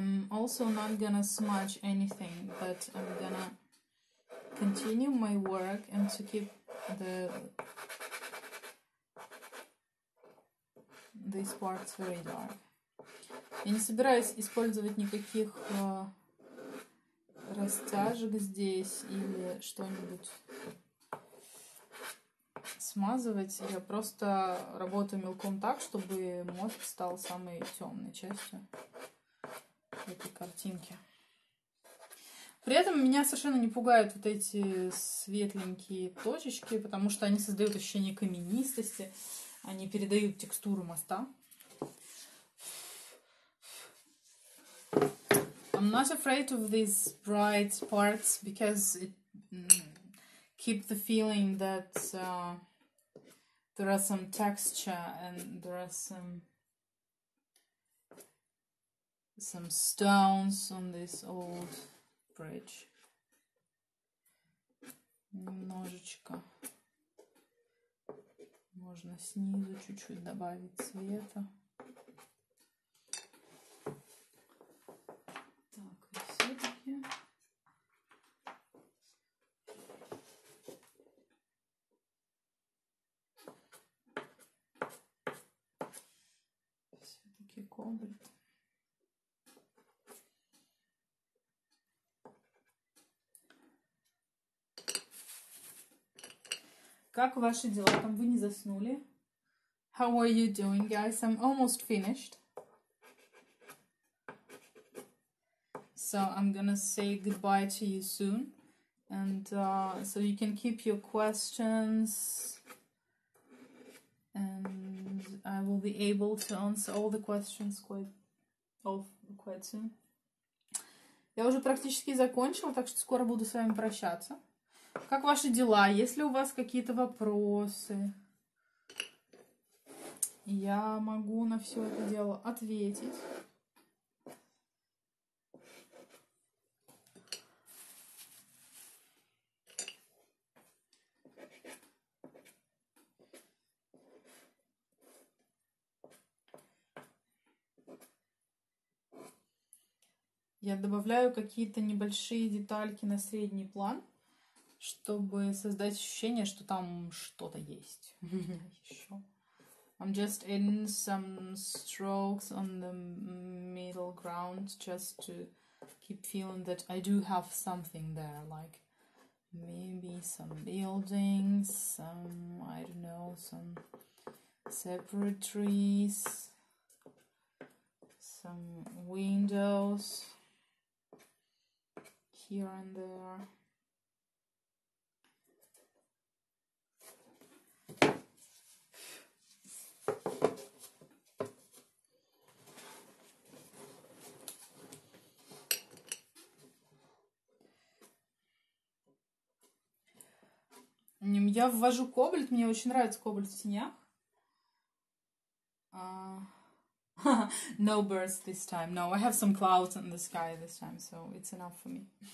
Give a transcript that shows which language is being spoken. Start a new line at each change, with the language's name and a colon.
English: Also not gonna smudge anything, but I'm gonna continue my work and to keep these parts very dark.
Russian: Я не собираюсь использовать никаких растяжек здесь или что-нибудь смазывать. Я просто работаю мелком так, чтобы мост стал самой темной частью этой картинки. При этом меня совершенно не пугают вот эти светленькие точечки, потому что они создают ощущение каменистости, они передают текстуру моста. I'm not afraid of these bright parts because it keep the feeling that there are some texture and there are some stones on this old bridge. Немножечко можно снизу чуть-чуть добавить цвета. Так, и все-таки. Все-таки кобальт. Как ваши дела? Там вы не заснули?
English: How are you doing, guys? I'm almost finished. So I'm gonna say goodbye to you soon. And so you can keep your questions and I will be able to answer all the questions quite soon.
Russian: Я уже практически закончила, так что скоро буду с вами прощаться. Как ваши дела? Есть ли у вас какие-то вопросы? Я могу на все это дело ответить. Я добавляю какие-то небольшие детальки на средний план, чтобы создать ощущение, что там что-то есть. У меня еще.
English: I'm just adding some strokes on the middle ground, just to keep feeling that I do have something there, like maybe some buildings, some, I don't know, some separate trees, some windows. Here and there.
Russian: Я ввожу кобальт, мне очень нравится кобальт в тенях.
English: No birds this time. No, I have some clouds in the sky this time, so it's enough for me.